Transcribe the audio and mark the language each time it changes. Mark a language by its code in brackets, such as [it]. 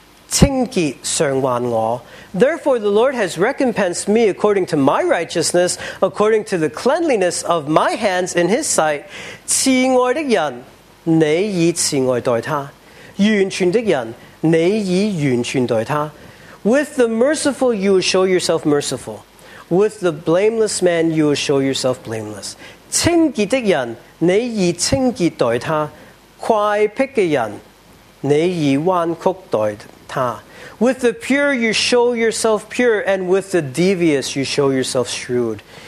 [en] Therefore, the Lord has recompensed me according to my righteousness, according to the cleanliness of my hands in his sight. [zh] 慈爱的人，你以慈爱待他；完全的人，你以完全待他。 [en] With the merciful, you will show yourself merciful. With the blameless man, you will show yourself blameless. [zh] 清洁的人，你以清洁待他；乖僻的人，你以弯曲待他。 [en] With the pure you show yourself pure, and with the devious you show yourself shrewd.